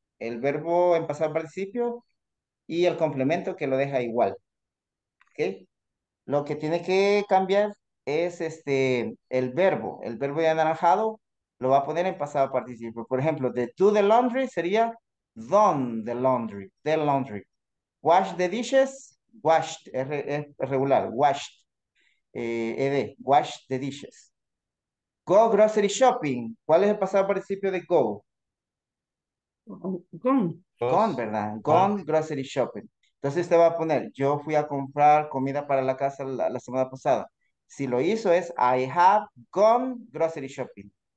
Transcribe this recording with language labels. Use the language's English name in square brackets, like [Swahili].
[Spanish] El verbo en pasado participio y el complemento que lo deja igual. ¿Ok? Lo que tiene que cambiar es el verbo. El verbo de anaranjado lo va a poner en pasado participio. Por ejemplo, the do the laundry sería done the laundry. [English] Wash the dishes, washed, es regular, washed, ed, wash the dishes. Go grocery shopping, [Spanish] ¿cuál es el pasado participio de go? [English] Gone. [Spanish] Gone, ¿verdad? Ah. [English] Gone grocery shopping. [Spanish] Entonces usted va a poner, yo fui a comprar comida para la casa la semana pasada. Si lo hizo es, [English] I have gone grocery shopping.